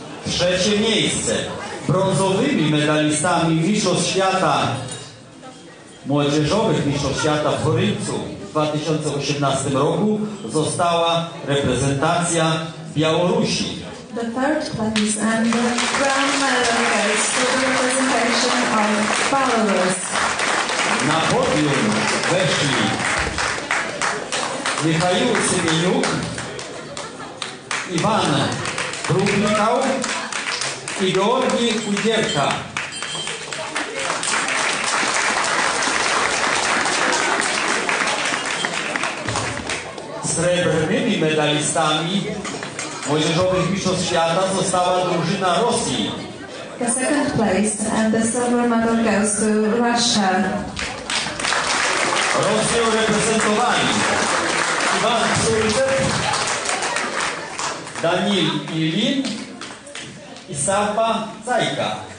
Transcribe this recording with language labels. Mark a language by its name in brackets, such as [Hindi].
[Polish] Trzecie miejsce. Brązowymi medalistami Mistrzostw Świata Młodzieżowych Mistrzostw Świata w Chorzowie w 2018 roku została reprezentacja Białorusi. [English] The third place and the grand medal goes to the representation of Belarus. [Polish] Na podium weszli Michał Cymieniuk, Iwan Brudnikał i Georgii Kujdzierka. Srebrnymi medalistami Młodzieżowych Mistrzostw Świata została drużyna Rosji. [English] The second place and the silver medal goes to Russia. [Polish] Rosję reprezentowali Iwan Krzysztof, Daniel Ilin i Safa Zajka.